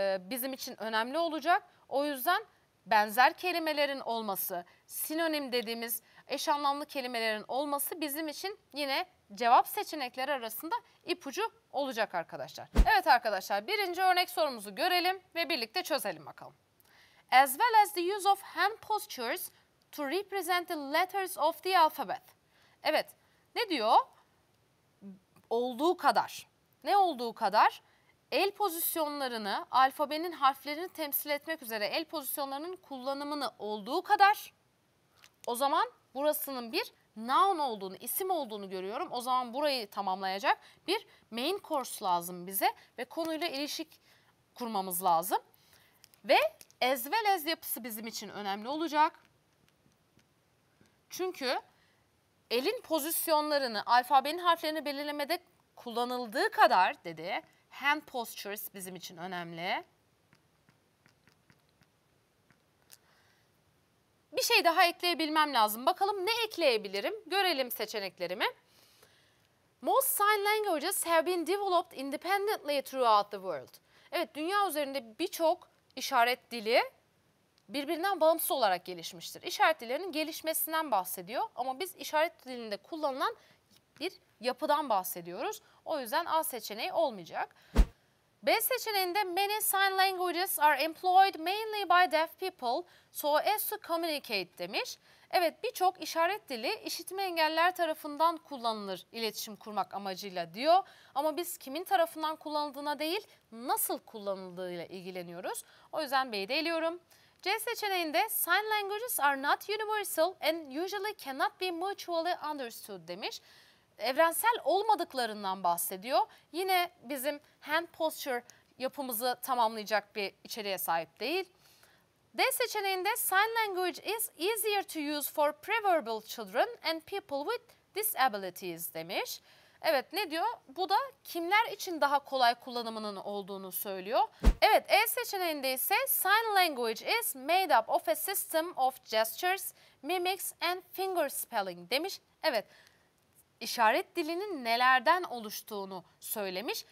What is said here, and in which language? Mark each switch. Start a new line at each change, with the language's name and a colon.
Turkish: Bizim için önemli olacak. O yüzden benzer kelimelerin olması, sinonim dediğimiz eş anlamlı kelimelerin olması bizim için yine cevap seçenekleri arasında ipucu olacak arkadaşlar. Evet arkadaşlar birinci örnek sorumuzu görelim ve birlikte çözelim bakalım.
English: As well as the use of hand postures to represent the letters of the alphabet.
Turkish: Evet ne diyor? Olduğu kadar. Ne olduğu kadar? El pozisyonlarını, alfabenin harflerini temsil etmek üzere el pozisyonlarının kullanımını olduğu kadar o zaman burasının bir noun olduğunu, isim olduğunu görüyorum. O zaman burayı tamamlayacak bir main course lazım bize ve konuyla ilişik kurmamız lazım. Ve as well as yapısı bizim için önemli olacak. Çünkü elin pozisyonlarını, alfabenin harflerini belirlemede kullanıldığı kadar dedi. Hand postures bizim için önemli. Bir şey daha ekleyebilmem lazım. Bakalım ne ekleyebilirim? Görelim seçeneklerimi.
English: Most sign languages have been developed independently throughout the world.
Turkish: Evet, dünya üzerinde birçok işaret dili birbirinden bağımsız olarak gelişmiştir. İşaret dillerinin gelişmesinden bahsediyor. Ama biz işaret dilinde kullanılan bir yapıdan bahsediyoruz. O yüzden A seçeneği olmayacak. B seçeneğinde
English: many sign languages are employed mainly by deaf people so as to communicate
Turkish: demiş. Evet birçok işaret dili işitme engelliler tarafından kullanılır iletişim kurmak amacıyla diyor. Ama biz kimin tarafından kullanıldığına değil nasıl kullanıldığıyla ilgileniyoruz. O yüzden B'yi de eliyorum. C seçeneğinde
English: sign languages are not universal and usually cannot be mutually understood
Turkish: demiş. Evrensel olmadıklarından bahsediyor. Yine bizim hand posture yapımızı tamamlayacak bir içeriğe sahip değil. D seçeneğinde
English: sign language is easier to use for preverbal children and people with disabilities
Turkish: demiş. Evet, ne diyor? Bu da kimler için daha kolay kullanımının olduğunu söylüyor. Evet, E seçeneğinde ise
English: sign language is made up of a system of gestures, mimics and finger spelling
Turkish: demiş. Evet, işaret dilinin nelerden oluştuğunu söylemiş.